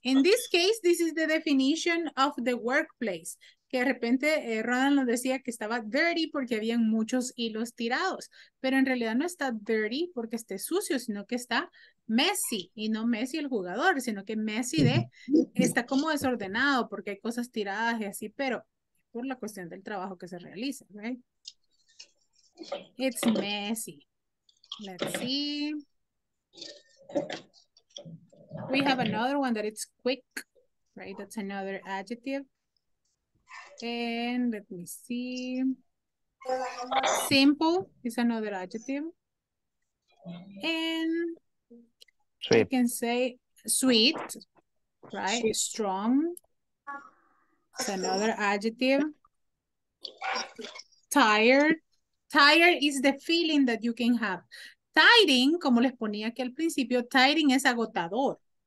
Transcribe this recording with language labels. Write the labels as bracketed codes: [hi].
[en] In this case, this is the definition of the workplace. [es] Que de repente Ronald nos decía que estaba dirty porque habían muchos hilos tirados. Pero en realidad no está dirty porque esté sucio, sino que está messy. Y no messy el jugador, sino que messy de está como desordenado porque hay cosas tiradas y así, pero por la cuestión del trabajo que se realiza, right? [en] It's messy. Let's see. We have another one that it's quick, right? That's another adjective. And let me see. Simple is another adjective. And sweet. I can say sweet, right? Sweet. Strong. It's another adjective. Tired. Tired is the feeling that you can have. [es] Tiring, como les ponía aquí al principio, tiring es agotador.